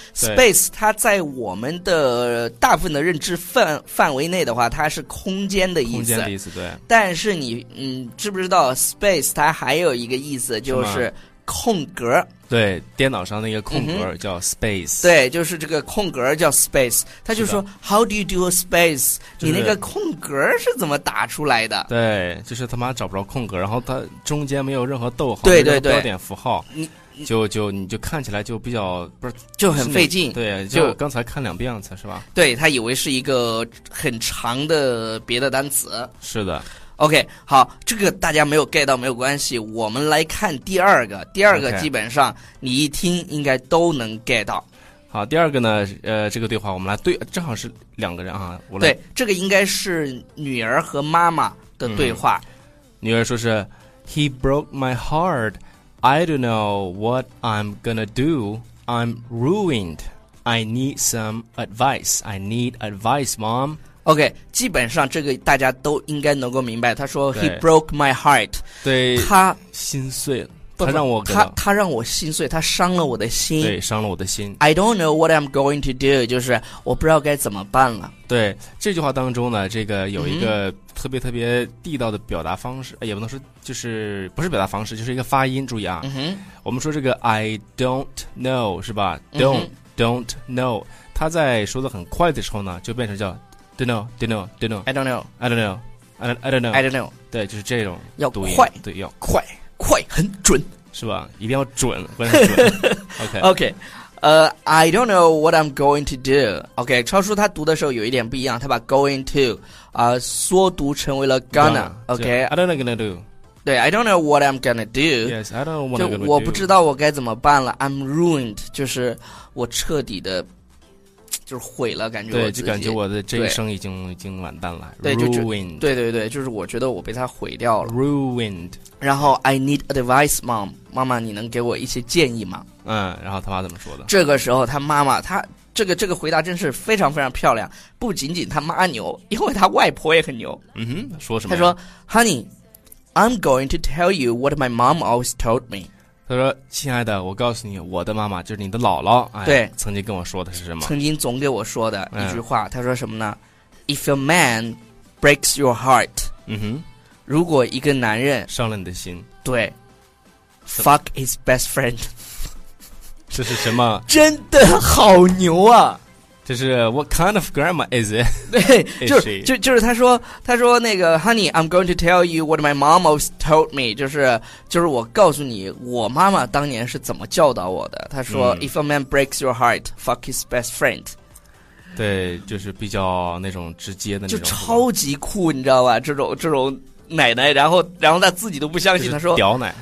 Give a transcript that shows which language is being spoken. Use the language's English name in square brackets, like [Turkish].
[Chinese] space 它在我们的大部分的认知范围内的话，它是空间的意思。空间的意思，对。但是你知不知道 space 它还有一个意思就是。空格，对，电脑上那个空格叫 space。对，就是这个空格叫 space。他就说 [English] How do you do a space？、 [Chinese] 就是、你那个空格是怎么打出来的？对，就是他妈找不着空格，然后他中间没有任何逗号，对对对，标点符号，你就看起来就比较不是，就很费劲。对，就刚才看两遍词是吧？对，他以为是一个很长的别的单词。是的。 OK， 好，这个大家没有 get 到没有关系，我们来看第二个，第二个基本上你一听应该都能 get 到。好，第二个呢，这个对话我们来对，正好是两个人啊，我来。对，这个应该是女儿和妈妈的对话。女儿说是 [English] ，He broke my heart. I don't know what I'm gonna do. I'm ruined. I need some advice. I need advice, Mom. [Chinese] OK， 基本上这个大家都应该能够明白。他说 [English] He broke my heart， [Chinese] 对，他心碎了，他让我他让我心碎，他伤了我的心，对，伤了我的心。 [English] I don't know what I'm going to do， [Chinese] 就是我不知道该怎么办了。对，这句话当中呢，这个有一个特别特别地道的表达方式，也不能说就是不是表达方式，就是一个发音。注意啊，我们说这个 [English] I don't know [Chinese] 是吧 ？Don't know， 他在说的很快的时候呢，就变成叫。 [English] I don't know. [Chinese] 对，就是这种要快，对，要快，快很准，是吧？一定要准，关键准。 [English] OK, I don't know what I'm going to do. [Chinese] OK, 超叔他读的时候有一点不一样，他把 going to 缩读成为了 gonna. [English] OK, I don't know what I'm gonna do. 对 ，I don't know what I'm gonna do. Yes, I don't know what I'm gonna do. [Chinese] 就我不知道我该怎么办了。 [English] I'm ruined, [Chinese] 就是我彻底的。就是毁了，感觉我自己，对，就感觉我的这一生已经完蛋了。对 [English] ，ruined， [Chinese] 对对对，就是我觉得我被他毁掉了 [English] ，ruined。 [Chinese] 然后 [English] I need advice, mom， [Chinese] 妈妈，你能给我一些建议吗？嗯，然后他妈怎么说的？这个时候他妈妈，他这个回答真是非常非常漂亮。不仅仅他妈牛，因为他外婆也很牛。嗯哼，说什么？他说 [English] ，Honey， I'm going to tell you what my mom always told me。 [Chinese] 他说亲爱的，我告诉你，我的妈妈就是你的姥姥，哎，对，曾经跟我说的是什么，曾经总给我说的一句话，他说什么呢？ [English] If a man breaks your heart， [Chinese] 如果一个男人伤了你的心， [English] 对， fuck his best friend， [Chinese] 这是什么？真的好牛啊。就是 [English] What kind of grandma is it? [Chinese] 对，就是他说那个 [English] Honey, I'm going to tell you what my mom always told me. [Chinese] 就是我告诉你我妈妈当年是怎么教导我的。他说 [English] If a man breaks your heart, fuck his best friend. [Chinese] 对，就是比较那种直接的那种，就超级酷，你知道吧？这种奶奶，然后他自己都不相信，就是、他说屌奶，